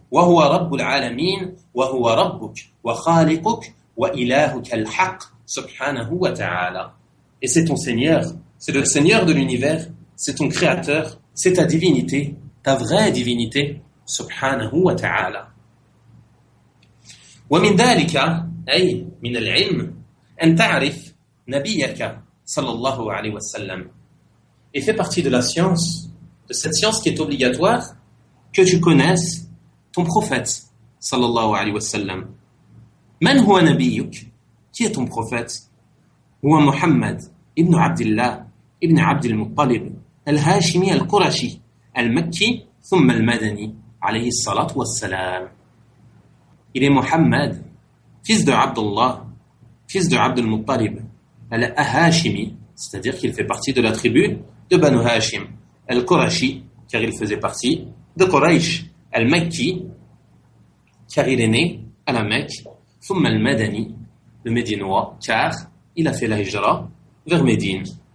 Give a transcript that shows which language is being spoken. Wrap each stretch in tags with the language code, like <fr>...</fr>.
<fr>Et c'est lui qui mérite d'être adoré.</fr> <ar>وإلهك الحق سبحانه وتعالى.</ar> <fr>Et c'est ton Seigneur, c'est le Seigneur de l'univers, c'est ton Créateur, c'est ta divinité, ta vraie divinité, subhanahu wa ta'ala.</fr> <ar>ومن ذلك أي من العلم أن تعرف نبيك صلى الله عليه وسلم.</ar> <fr>Et fait partie de la science, de cette science qui est obligatoire, que tu connaisses ton prophète صلى الله عليه وسلم.</fr> <ar>من هو نبيك؟</ar> <fr>Qui est ton prophète؟</fr> <ar>هو محمد ابن عبد الله ابن عبد المطلب الهاشمي القرشي المكي ثم المدني عليه الصلاة والسلام.</ar> <fr>Il est Mohammed, fils de Abdullah, fils de Abd al-Muttalib, al-Hashimi, c'est-à-dire qu'il fait partie de la tribu de Banu Hashim, al-Qurashi, car il faisait partie de Quraysh, al-Makki, car il est né à la Mecque, ثم al-Madani, le Médinois, car il a fait la hijra vers Médine.</fr>